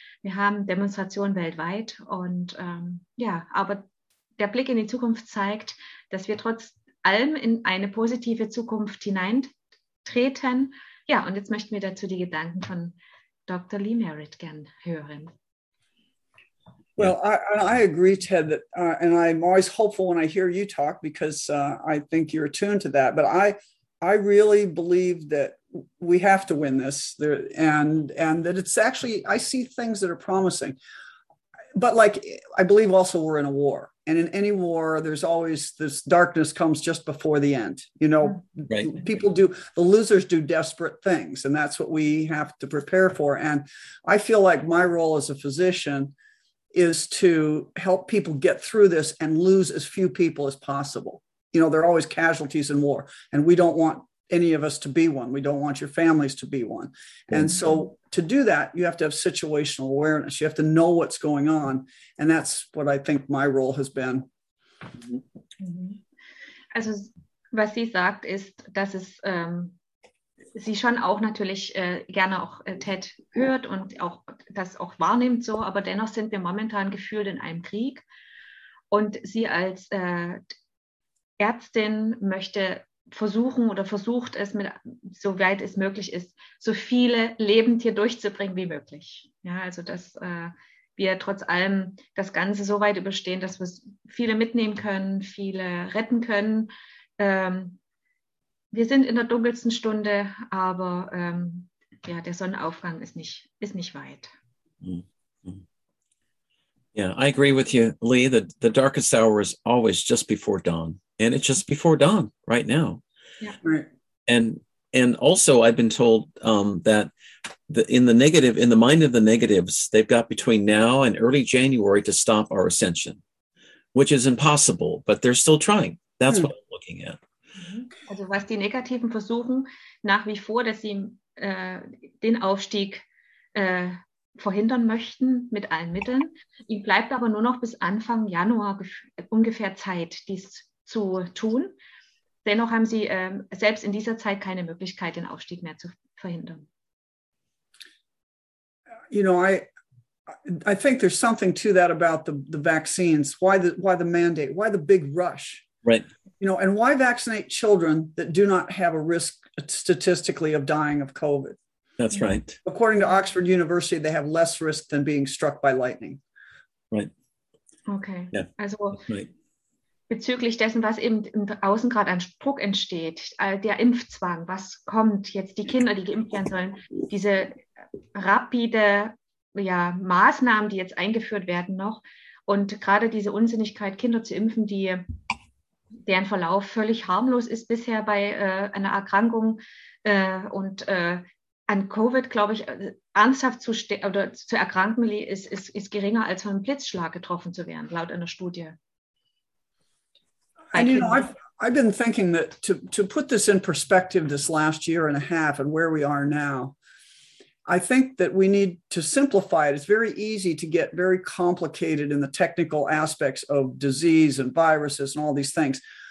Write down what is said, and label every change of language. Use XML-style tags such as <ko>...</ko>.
<de>Wir haben Demonstrationen weltweit und aber. Der Blick in die Zukunft zeigt, dass wir trotz allem in eine positive Zukunft hineintreten. Ja, und jetzt möchten wir dazu die Gedanken von Dr. Lee Merritt gern hören.</de> <en>Well, I agree, Ted, that, and I'm always hopeful when I hear you talk, because I think you're attuned to that. But I really believe that we have to win this, and that it's actually, I see things that are promising. But like, I believe also we're in a war. And in any war, there's always this darkness comes just before the end. You know, right. People do, the losers do desperate things, and that's what we have to prepare for. And I feel like my role as a physician is to help people get through this and lose as few people as possible. You know, there are always casualties in war, and we don't want any of us to be one. We don't want your families to be one. And so to do that, you have to have situational awareness. You have to know what's going on. And that's what I think my role has been.</en> <de>Also, was sie sagt, ist, dass es sie schon auch natürlich gerne auch Ted hört und auch das auch wahrnimmt so, aber dennoch sind wir momentan gefühlt in einem Krieg. Und sie als Ärztin möchte versuchen oder versucht es, mit soweit es möglich ist, so viele Lebendtiere durchzubringen wie möglich. Ja, also dass wir trotz allem das Ganze so weit überstehen, dass wir viele mitnehmen können, viele retten können. Wir sind in der dunkelsten Stunde, aber der Sonnenaufgang ist nicht weit.</de> <en>Yeah, I agree with you, Lee, that the darkest hour is always just before dawn. And it's just before dawn right now. Yeah, right. And also I've been told that in the mind of the negatives, they've got between now and early January to stop our ascension, which is impossible, but they're still trying. That's what I'm looking at.</en> <de>Also was die Negativen versuchen nach wie vor, dass sie den Aufstieg verhindern möchten mit allen Mitteln. Ihm bleibt aber nur noch bis Anfang Januar ungefähr Zeit, dies zu tun. Dennoch haben sie selbst in dieser Zeit keine Möglichkeit, den Aufstieg mehr zu verhindern.</de> <en>You know, I think there's something to that about the vaccines. Why the mandate? Why the big rush? Right. You know, and why vaccinate children that do not have a risk statistically of dying of COVID? That's right. According to Oxford University, they have less risk than being struck by lightning. Right. Okay. Yeah. Also, right.</en> <de>bezüglich dessen, was eben im Außen gerade an Druck entsteht, der Impfzwang, was kommt jetzt, die Kinder, die geimpft werden sollen, diese rapide Maßnahmen, die jetzt eingeführt werden noch und gerade diese Unsinnigkeit, Kinder zu impfen, die deren Verlauf völlig harmlos ist bisher bei einer Erkrankung und an Covid, glaube ich, ernsthaft zu erkranken, ist geringer als von einem Blitzschlag getroffen zu werden, laut einer Studie.</de> <en>And you know, I've been thinking that to put this in perspective, this last year and a half and where we are now, I think that we need to simplify it. It's very easy to get very complicated in the technical aspects of disease and viruses and all these things.</en>